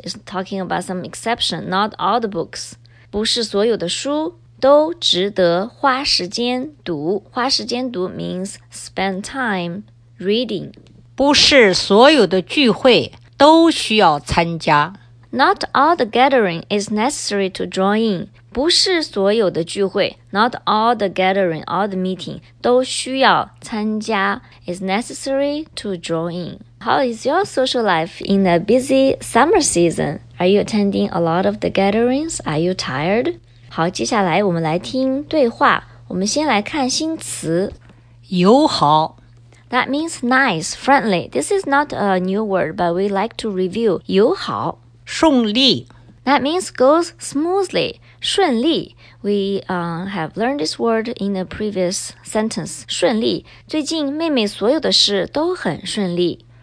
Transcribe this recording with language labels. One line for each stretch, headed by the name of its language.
English: It's talking about some exception. Not all the books.
Chinese: 不是所有的书都值得花时间读。花时间读
English: means spend time reading.
Chinese: 不是所有的聚会都需要参加。
English: Not all the gathering is necessary to join in.
Chinese: 不是所有的聚会
English: not all the gathering, all the meeting,
Chinese: 都需要参加
English: is necessary to join in. How is your social life in a busy summer season? Are you attending a lot of the gatherings? Are you tired?
Chinese: 好，接下来我们来听对话。我们先来看新词。友好。
English: That means nice, friendly. This is not a new word, but we like to review.
Chinese: 友好。顺利。
English: That means goes smoothly. 顺利。 We have learned this word in a previous sentence.
Chinese: 顺利。最近妹妹所有的事都很顺利。